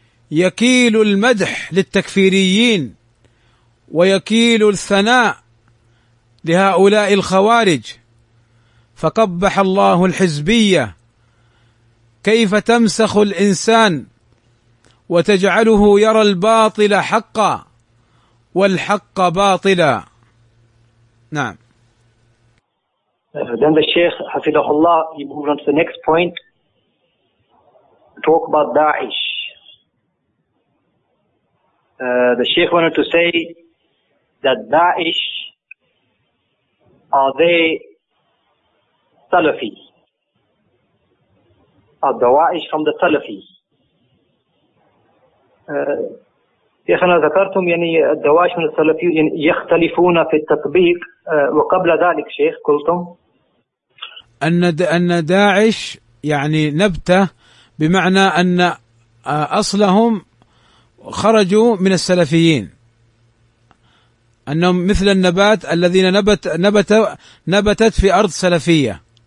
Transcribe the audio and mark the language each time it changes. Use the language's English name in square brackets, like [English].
[Arabic] يكيل المدح للتكفيريين ويكيل الثناء لهؤلاء الخوارج فقبح الله الحزبية كيف تمسخ الإنسان وتجعله يرى الباطل حقا والحق باطلا نعم. [English] Then the Sheikh [Arabic] حفظه الله, [English] he moved on to the next point, talk about Daesh. The Sheikh wanted to say that Daesh, are they Salafis? Are Dawa'ish from the Salafis? [Arabic] شيخنا ذكرتم يعني الدواعش من السلفيين يختلفون في التطبيق وقبل ذلك شيخ قلتم أن داعش يعني نبتة بمعنى أن أصلهم خرجوا من السلفيين أنهم مثل النبات الذين نبتت في أرض سلفية.